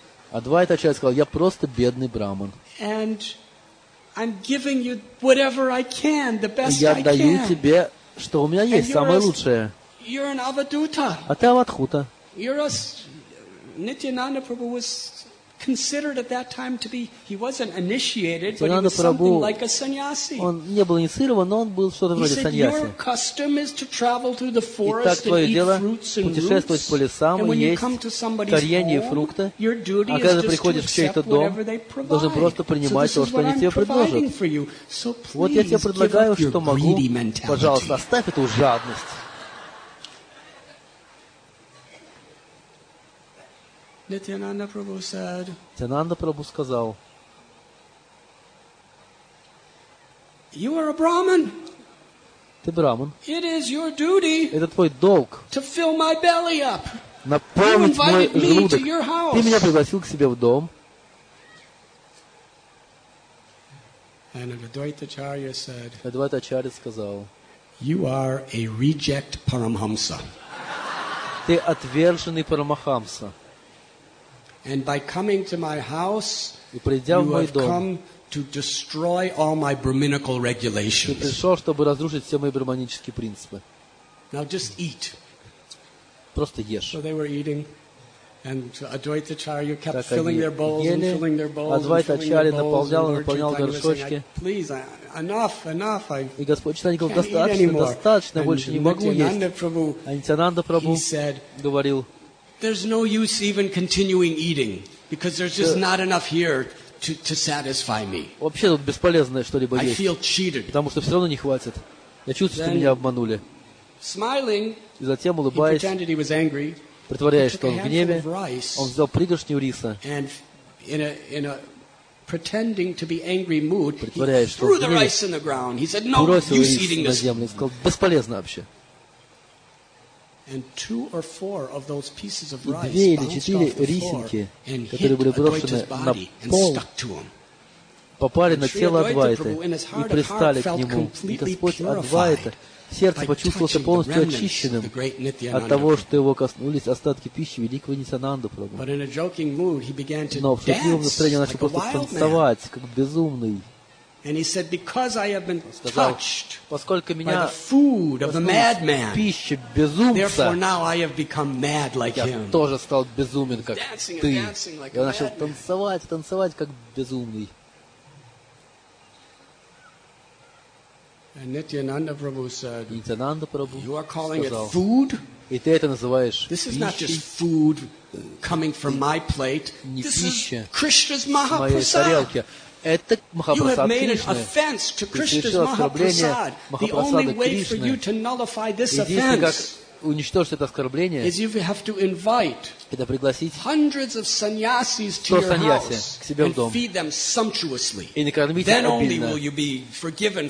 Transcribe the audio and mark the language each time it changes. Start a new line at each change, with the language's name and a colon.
Russian: Адвайта Ачарья сказал, я просто бедный браман. Я даю тебе, что у меня есть, самое лучшее. А ты Аватхута.
English: Нитьянанда Прабху was considered at that time to be, he wasn't initiated, but he was something like a sannyasi.
Russian: Он не был инициирован, но он был что-то вроде саньяси.
English: Your custom is to travel through the forest and eat fruits and roots.
Russian: Путешествовать по лесам и есть коренья и фрукты.
English: Your duty is just to accept whatever they provide.
Russian: Должен просто принимать то, что они тебе предложат.
English: So this is what I'm providing for you. So please give up your greedy mentality.
Russian: Пожалуйста, оставь эту жадность.
English: Nityananda
Russian: Prabhu сказал,
English: "You are a Brahman.
Russian: Ты браман.
English: It is your duty.
Russian: Это твой долг.
English: To fill my belly up.
Russian: Наполнить мой желудок. Ты меня пригласил к себе в дом."
English: And Advaita Acharya said,
Russian: "Advaita Acharya сказал,
English: You are a reject Paramhamsa.
Russian: Ты отверженный Парамахамса.
English: And by coming to my house, you have come to destroy all my brahminical regulations.
Russian: Ты пришел, чтобы разрушить все мои брахманические принципы.
English: Now just eat.
Russian: Просто ешь.
English: So they were eating, and Advaita Acharya kept filling their bowls and filling their bowls and filling their bowls.
Russian: Наполнял, наполнял горшочки.
English: Please, enough.
Russian: И Господь Чайтанья говорил, достаточно, больше не могу есть. А Нитьянанда Прабху говорил,
English: there's no use even continuing eating because there's just not enough here to satisfy me.
Russian: Вообще тут бесполезно что-либо есть.
English: I feel cheated.
Russian: Потому что все равно не хватит. Я чувствую, что меня обманули.
English: Smiling,
Russian: и затем улыбаясь,
English: he pretended he was angry.
Russian: Притворяясь, что он в гневе,
English: rice,
Russian: он взял пригоршню риса.
English: And in a pretending to be angry mood, he threw the rice in the ground. He said, "No use eating this."
Russian: Сказал, бесполезно вообще.
English: And two or four of those pieces of rice bounced off the floor and hit Advaita's body and stuck to him.
Russian: Попали на тело Адвайты и пристали к нему. И Господь Адвайта сердце почувствовался полностью очищенным от того, что его коснулись остатки пищи великого Нитьянанда Прабху. Но в шутливом настроении он начал просто танцевать, как безумный.
English: And he said, "Because I have been touched by the food of the madman, therefore now I have become mad like him."
Russian: Я тоже стал безумен, как ты. Я начал танцевать, как безумный.
English: And Nityananda Prabhu said, "Nityananda Prabhu, you are calling it food?
Russian: И ты это называешь
English: This is not just food coming from my plate. This is Krishna's Mahaprasad."
Russian: Это Махапрасад Кришны. Ты совершил оскорбление Махапрасада Кришны. Единственное, как уничтожить это оскорбление, это пригласить 100 саньяси к себе в дом и накормить их обильно.